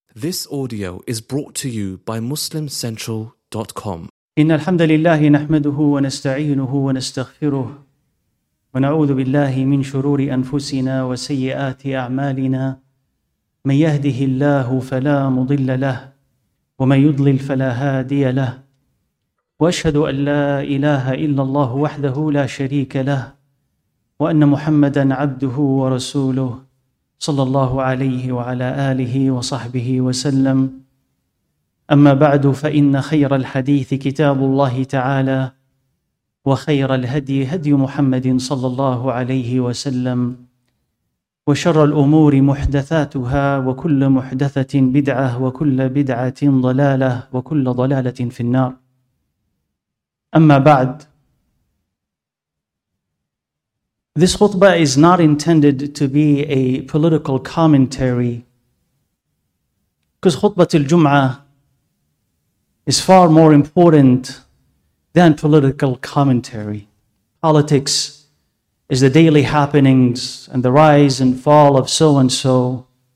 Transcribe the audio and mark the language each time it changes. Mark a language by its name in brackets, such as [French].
[English] This audio is brought to you by MuslimCentral.com. [Arabic] إن الحمد لله نحمده ونستعينه ونستغفره ونعوذ بالله من شرور أنفسنا وسيئات أعمالنا من يهده الله فلا مضل له ومن يضلل فلا هادي له وأشهد أن لا إله إلا الله وحده لا شريك له وأن محمدا عبده ورسوله صلى الله عليه وعلى آله وصحبه وسلم أما بعد فإن خير الحديث كتاب الله تعالى وخير الهدي هدي محمد صلى الله عليه وسلم وشر الأمور محدثاتها وكل محدثة بدعة وكل بدعة ضلالة وكل ضلالة في النار أما بعد. [English] This khutbah is not intended to be a political commentary, because khutbatul jum'ah is far more important than political commentary. Politics is the daily happenings and the rise and fall of so-and-so.